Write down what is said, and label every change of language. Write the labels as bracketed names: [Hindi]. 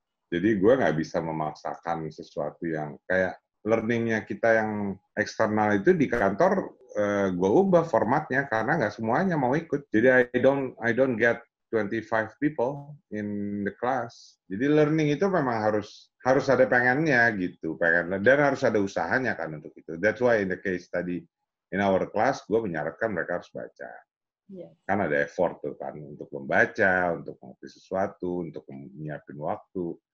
[Indonesian] Jadi gue gak bisa memaksakan sesuatu yang kayak learningnya kita yang eksternal itu di kantor, gue ubah formatnya karena gak semuanya mau ikut. Jadi [English] I don't get 25 people in the class. [Indonesian] Jadi learning itu memang harus ada pengennya gitu, pengen dan harus ada usahanya kan untuk itu. [English] That's why in the case [Indonesian] tadi [English] in our class, [Indonesian] gue menyarankan mereka harus baca. [English] Yeah. [Indonesian] Kan ada effort tuh kan untuk membaca, untuk mengerti sesuatu, untuk menyiapin waktu.